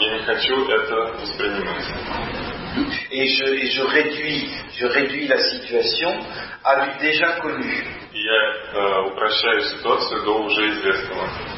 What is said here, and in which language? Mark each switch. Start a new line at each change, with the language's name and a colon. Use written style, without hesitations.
Russian: Я не хочу это воспринимать.
French: Et je réduis la situation à du déjà connu.
Russian: Я упрощаю ситуацию до уже известного.